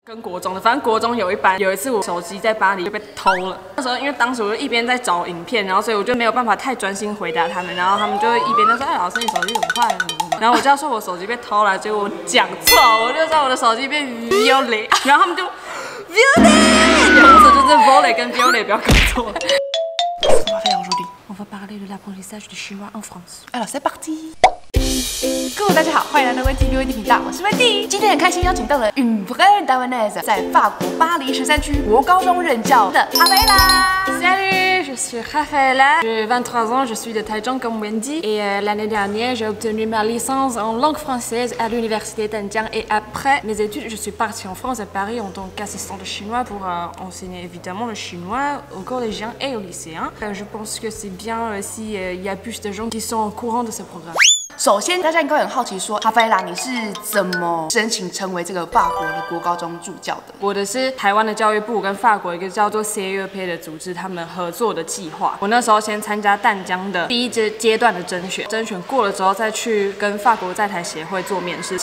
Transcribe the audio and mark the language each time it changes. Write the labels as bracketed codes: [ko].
[zh] 跟国中的，反正国中有一班，有一次我手机在巴黎就被偷了。那时候因为当时我就一边在找影片，然后所以我就没有办法太专心回答他们，然后他们就一边在说：“哎，老师，你手机怎么坏了？” 然后我就要说我手机被偷了，结果我讲错，我就说我的手机被 violet， 然后他们就 violet， 然后就是 volley 跟 violet 不要搞错。 [fr] On va faire aujourd'hui. On va parler de l'apprentissage du chinois en France. Alors c'est parti. [zh] 各位大家好，欢迎来到温蒂的温蒂频道，我是温蒂。今天很开心邀请到了 [fr] une vraie Taiwanaise， [zh] 在法国巴黎十三区国高中任教的哈菲拉。 [fr] Salut, je suis Rafaela. J'ai 23 ans, je suis de Taichung comme Wendy. Et l'année dernière, j'ai obtenu ma licence en langue française à l'université d'Anjiang. Et après mes études, je suis partie en France à Paris en tant qu'assistante de chinois pour enseigner évidemment le chinois aux collégiens et aux lycéens. Je pense que c'est bien si y a plus de gens qui sont au courant de ce programme. [zh] 首先，大家应该很好奇说，哈菲拉，你是怎么申请成为这个法国的国高中助教的？我的是台湾的教育部跟法国一个叫做 CUP 的组织，他们合作的计划。我那时候先参加淡江的第一阶段的甄选，甄选过了之后再去跟法国在台协会做面试。